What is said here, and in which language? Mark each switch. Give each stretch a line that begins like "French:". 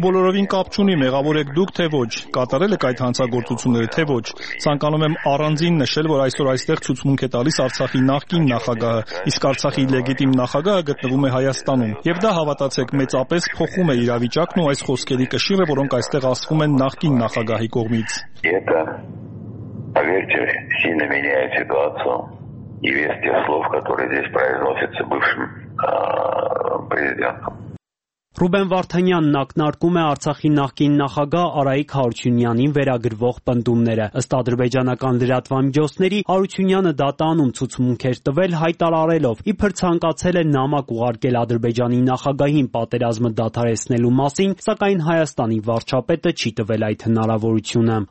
Armenian: բոլորովին կապ չունի, մեղավոր եք դուք թե ոչ, կատարել եք այդ հանցագործությունները թե ոչ, ցանկանում եմ առանձին նշել, որ այսօր այստեղ ցուցմունք է տալիս Արցախի նախկին նախագահը, իսկ Արցախի լեգիտիմ նախագահը գտնվում է Հայաստանում, և դա, հավատացեք, մեծապես փոխում է իրավիճակն ու այս խոսքերի կշիռը, որոնք այստեղ ասվում են նախկին նախագահի կողմից։
Russian: И весь те слов, которые здесь произносятся бывшим президентом.
Armenian: Ռուբեն Վարդանյանն ակնարկում է Արցախի նախկին նախագահ Արայիկ Հարությունյանին վերագրվող պնդումները։ Ըստ ադրբեջանական լրատվամիջոցների, Հարությունյանը դատանում ցուցմունք էր տվել, հայտարարելով, իբր ցանկացել է նամակ ուղարկել Ադրբեջանի նախագահին պատերազմը դադարեցնելու մասին, սակայն Հայաստանի վարչապետը չի տվել այդ հնարավորությունը։